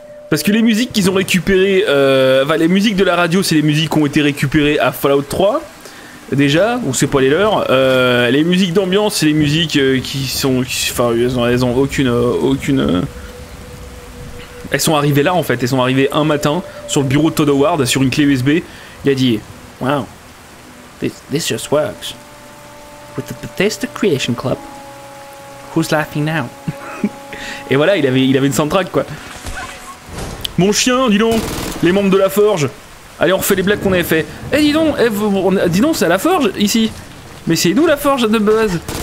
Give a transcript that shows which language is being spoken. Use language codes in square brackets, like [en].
[fr] Parce que les musiques qu'ils ont récupérées, enfin les musiques de la radio, c'est les musiques qui ont été récupérées à Fallout 3, déjà, ou c'est pas les leurs. Les musiques d'ambiance, c'est les musiques elles sont arrivées là en fait, elles sont arrivées un matin sur le bureau de Todd Howard sur une clé USB. [en] Il a dit, wow, this just works. With the Bethesda Creation Club, who's laughing now? [fr] Et voilà, il avait une soundtrack quoi. Mon chien, dis donc, les membres de la Forge. Allez, on refait les blagues qu'on avait fait. Eh, dis donc, dis donc, c'est à la Forge, ici. Mais c'est nous, la Forge, de base.